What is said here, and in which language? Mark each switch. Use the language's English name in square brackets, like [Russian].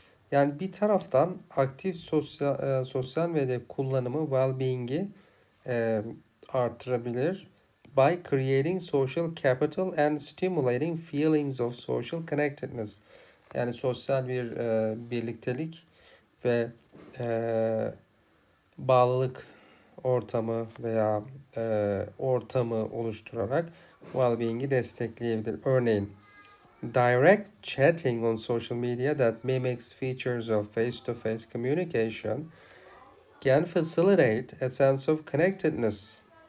[Turkish] Yani bir taraftan aktif sosyal medya kullanımı well-being'i artırabilir. [English] By creating social capital and stimulating feelings of social connectedness. [Turkish] Yani sosyal bir birliktelik ve bağlılık ortamı veya ortamı oluşturarak well-being'i destekleyebilir. Örneğin, [English] direct chatting on social media that mimics features of face-to-face communication can facilitate a sense of connectedness.